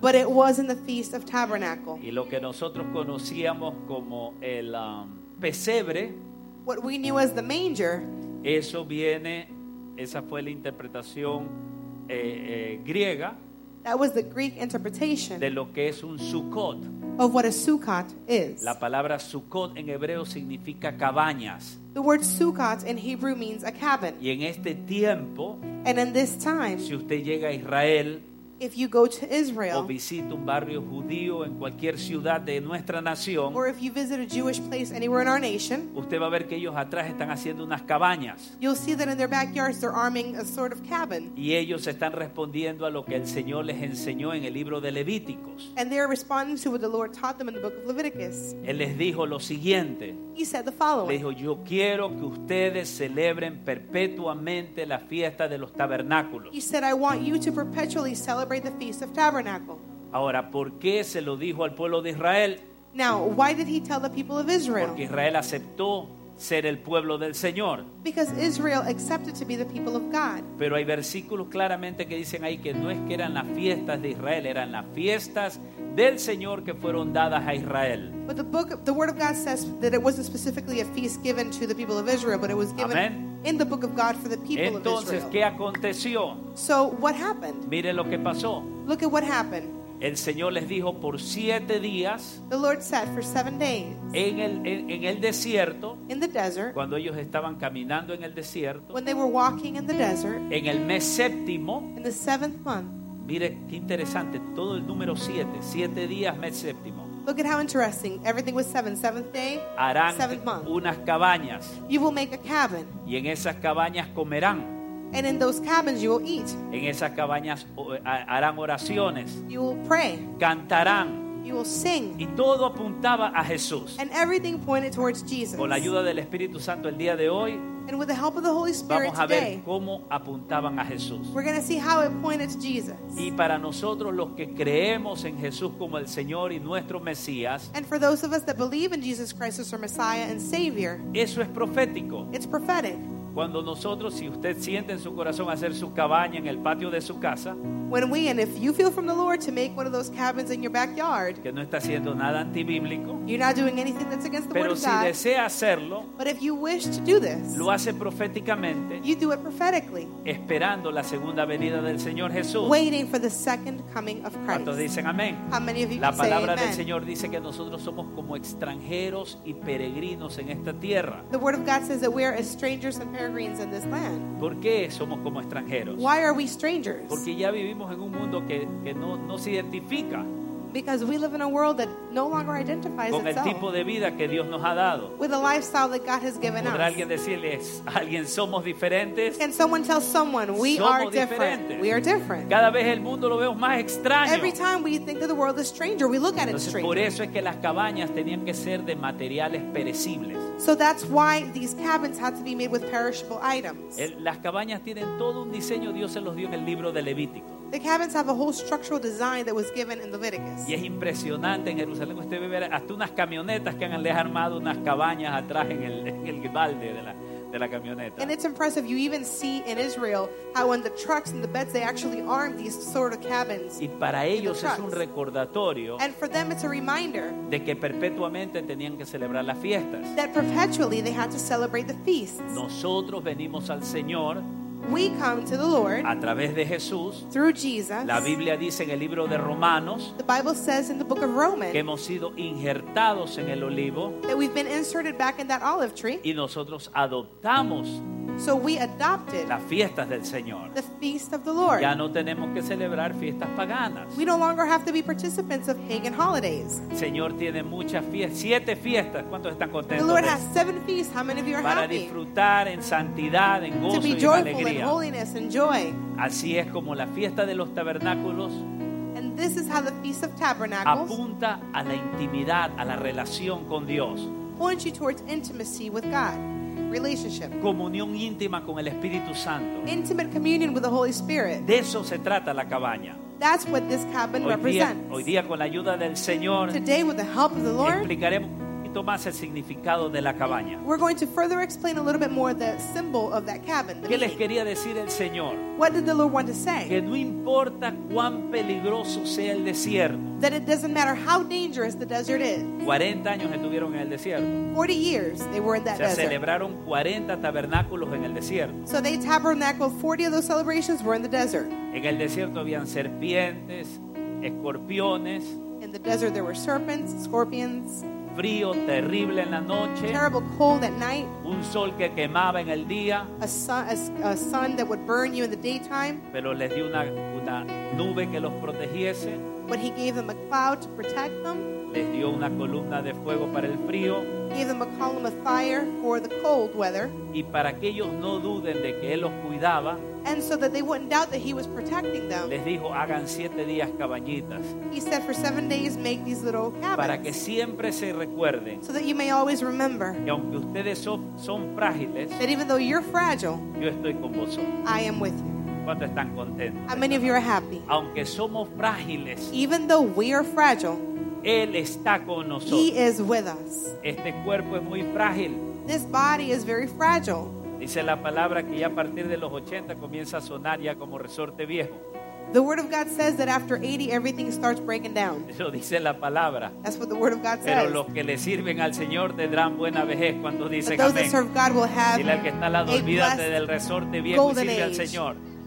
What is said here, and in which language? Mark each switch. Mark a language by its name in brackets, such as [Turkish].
[English] But it was in the feast of tabernacles. [Spanish] Y lo que nosotros conocíamos como el pesebre. [English] What we knew as the manger. [Spanish] Eso viene, esa fue la interpretación griega. [English] That was the Greek interpretation. [Spanish] De lo que es un Sukkot. [English] Of what a Sukkot is. [Spanish] La palabra Sukkot en hebreo significa cabañas. [English] The word Sukkot in Hebrew means a cabin. [Spanish] Y en este tiempo, [English] and in this time, [Spanish] si usted llega a Israel, [English] if you go to Israel, [Spanish] o visita un barrio judío en cualquier ciudad de nuestra nación, [English] or if you visit a Jewish place anywhere in our nation, [Spanish] usted va a ver que ellos atrás están haciendo unas cabañas. [English] You'll see that in their backyards they're arming a sort of cabin. [Spanish] Y ellos están respondiendo a lo que el Señor les enseñó en el libro de Levíticos. [English] And they're responding to what the Lord taught them in the book of Leviticus. [Spanish] Él les dijo lo siguiente. [English] He said the following. [Spanish] Le dijo, yo quiero que ustedes celebren perpetuamente la fiesta de los tabernáculos. [English] He said, I want you to perpetually celebrate the Feast of Tabernacles. [Spanish] Ahora, ¿por qué se lo dijo al pueblo de Israel? [English] Now, why did he tell the people of Israel? [Spanish] Porque Israel aceptó ser el pueblo del Señor. [English] Because Israel accepted to be the people of God. [Spanish] Pero hay versículos claramente que dicen ahí que no es que eran las fiestas de Israel, eran las fiestas del Señor que fueron dadas a Israel. [English] But the word of God says that it wasn't specifically a feast given to the people of Israel, but it was given. Amen. In the book of God for the people. [Spanish] Entonces, [English] of Israel. [Spanish] ¿Qué aconteció? [English] So what happened? [Spanish] Mire lo que pasó. [English] Look at what happened. [Spanish] El Señor les dijo por siete días. [English] The Lord said for 7 days. [Spanish] En el desierto. [English] In the desert. [Spanish] Cuando ellos estaban caminando en el desierto. [English] When they were walking in the desert. [Spanish] En el mes séptimo. [English] In the seventh month. [Spanish] Mire qué interesante, todo el número 7, 7 días, mes séptimo. [English] Look at how interesting. Everything was 7, 7th day, 7th month. [Spanish] Harán unas cabañas. [English] You will make a cabin. [Spanish] Y en esas cabañas comerán. [English] And in those cabins you will eat. [Spanish] En esas cabañas harán oraciones. [English] You will pray. [Spanish] Cantarán. [English] You will sing. [Spanish] Y todo apuntaba a Jesús. [English] And everything pointed towards Jesus. [Spanish] Con la ayuda del Espíritu Santo el día de hoy. [English] And with the help of the Holy Spirit [Spanish] vamos a ver [English] today, [Spanish] cómo apuntaban a Jesús. [English] We're going to see how it pointed to Jesus. [Spanish] Y para nosotros los que creemos en Jesús como el Señor y nuestro Mesías, [English] and for those of us that believe in Jesus Christ as our Messiah and Savior, [Spanish] eso es profético. [English] It's prophetic. [Spanish] Cuando nosotros, si usted siente en su corazón hacer su cabaña en el patio de su casa, [English] when we, and if you feel from the Lord to make one of those cabins in your backyard, [Spanish] que no está haciendo nada antibíblico, [English] you're not doing anything that's against the word of God, [Spanish] pero si desea hacerlo, [English] but if you wish to do this, [Spanish] lo hace proféticamente, [English] you do it prophetically, [Spanish] esperando la segunda venida del Señor Jesús, [English] waiting for the second coming of Christ. [Spanish] ¿Cuántos dicen amén? [English] How many of you [Spanish] la palabra [English] say amen? [Spanish] Del Señor dice que nosotros somos como extranjeros y peregrinos en esta tierra. [English] The word of God says that we are strangers and peregrines in this land. [Spanish] ¿Por qué somos como extranjeros? [English] Why are we strangers? [Spanish] Porque ya vivimos en un mundo que no se identifica. [English] Because we live in a world that no longer identifies [Spanish] con el [English] itself [Spanish] tipo de vida que Dios nos ha dado. [English] With the lifestyle that God has given us. [Spanish] ¿Podrá alguien decirles, alguien somos diferentes? [English] Can someone tell someone we [Spanish] somos [English] are different? We are different. [Spanish] Cada vez el mundo lo vemos más extraño. [English] Every time we think that the world is stranger, we look at [Spanish] entonces, [English] it stranger. [Spanish] Por eso es que las cabañas tenían que ser de materiales perecibles. [English] So that's why these cabins had to be made with perishable items. [Spanish] Las cabañas tienen todo un diseño, Dios se los dio en el libro de Levítico. [English] The cabins have a whole structural design that was given in Leviticus. [Spanish] Y es impresionante en Jerusalén usted ve hasta unas camionetas que han les armado unas cabañas atrás en el balde de la camioneta. [English] And it's impressive you even see in Israel how in the trucks and the beds they actually arm these sort of cabins. [Spanish] Y para ellos es un recordatorio. [English] And for them it's a reminder [Spanish] de que perpetuamente tenían que celebrar las fiestas. [English] That perpetually they had to celebrate the feasts. [Spanish] Nosotros venimos al Señor. [English] We come to the Lord [Spanish] a través de Jesús. [English] Through Jesus. [Spanish] La Biblia dice en el libro de Romanos, [English] the Bible says in the book of Romans, [Spanish] que hemos sido injertados en el olivo, [English] that we've been inserted back in that olive tree, [Spanish] y nosotros adoptamos, [English] so we adopted, [Spanish] las fiestas del Señor, [English] the feast of the Lord. [Spanish] Ya no tenemos que celebrar fiestas paganas. [English] We no longer have to be participants of pagan holidays. [Spanish] Señor tiene muchas fiestas, siete fiestas. ¿Cuántos están contentos? [English] The Lord has 7 feasts. How many of you are [Spanish] para [English] happy? [Spanish] Disfrutar en santidad, en gozo, [English] to be [Spanish] y [English] joyful [Spanish] alegría. [English] And holiness and joy. [Spanish] Así es como la fiesta de los tabernáculos. [English] And this is how the Feast of Tabernacles [Spanish] apunta a la intimidad, a la relación con Dios. [English] Points you towards intimacy with God. relationship. [Spanish] Comunión íntima con el Espíritu Santo. [English] Intimate communion with the Holy Spirit. [Spanish] De eso se trata la cabaña. [English] That's what this cabin represents. [Spanish] Hoy día, con la ayuda del Señor, [English] today with the help of the Lord, [Spanish] explicaremos más el significado de la cabaña. [English] We're going to further explain a little bit more the symbol of that cabin. [Spanish] ¿Qué les quería decir el Señor? [English] What did the Lord want to say? [Spanish] Que no importa cuán peligroso sea el desierto. [English] That it doesn't matter how dangerous the desert is. [Spanish] 40 años estuvieron en el desierto. [English] 40 years they were in that desert. [Spanish] Se celebraron 40 tabernáculos en el desierto. [English] So they tabernacled 40 of those celebrations were in the desert. [Spanish] En el desierto habían serpientes, escorpiones. [English] In the desert there were serpents, scorpions. [Spanish] Frío terrible en la noche. [English] Terrible cold at night. [Spanish] Un sol que quemaba en el día. [English] A sun that would burn you in the daytime. [Spanish] Pero les dio una nube que los protegiese. [English] But he gave them a cloud to protect them. [Spanish] Les dio una columna de fuego para el frío. [English] Gave them a column of fire for the cold weather. [Spanish] Y para que ellos no duden de que él los cuidaba. [English] And so that they wouldn't doubt that he was protecting them. [Spanish] Les dijo, hagan 7 días cabañitas. [English] He said, for 7 days, make these little cabins. [Spanish] Para que siempre se recuerden. [English] So that you may always remember. [Spanish] Que aunque ustedes son frágiles. [English] That even though you're fragile. [Spanish] Yo estoy con vosotros. [English] I am with you. [Spanish] ¿Cuántos están contentos? [English] How many of you are happy? [Spanish] Aunque somos frágiles. [English] Even though we are fragile. [Spanish] Él está con nosotros. [English] He is with us. [Spanish] Este cuerpo es muy frágil. [English] This body is very fragile. [Spanish] Dice la palabra que ya a partir de los 80 comienza a sonar ya como resorte viejo. [English] The word of God says that after 80 everything starts breaking down. [Spanish] Eso dice la palabra. [English] That's what the word of God says. [Spanish] Pero los que le sirven al Señor tendrán buena vejez cuando dice [English] amén. Those that serve God will have. [Spanish] Dile al que está al lado, olvídate del resorte viejo y sirve al Señor.